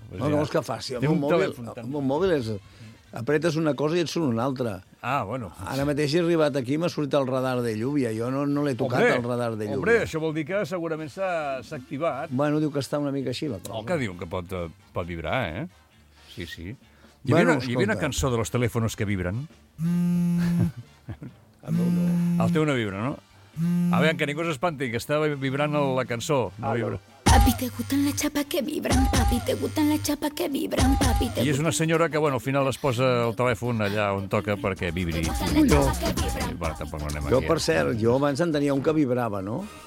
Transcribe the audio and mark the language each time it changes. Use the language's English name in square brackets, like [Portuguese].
[Catalan] Pues no, ja. No és que faci. Té un telèfon. Amb un mòbil és... Apretes una cosa i et surt una altra. Ah, bueno. Ara mateix he arribat aquí i m'ha sortit el radar de lluvia. Jo no l'he tocat, el radar de lluvia. Hombre, això vol dir que segurament s'ha activat. Bueno, diu que està una mica així la cosa. El que diu que pot vibrar, eh? Sí, sí. Hi ve una cançó de [Spanish] los teléfonos que vibran. [Catalan] El teu no vibra, no? A veure, que ningú s'espanti, que estava vibrant la cançó. No vibra. [Spanish] Papi, te gustan la chapa que vibran, papi, te gustan la chapa que vibran, papi, te gustan... [Catalan] I és una senyora que, bueno, al final es posa el telèfon allà on toca perquè vibri. Jo, per cert, jo abans en tenia un que vibrava, no?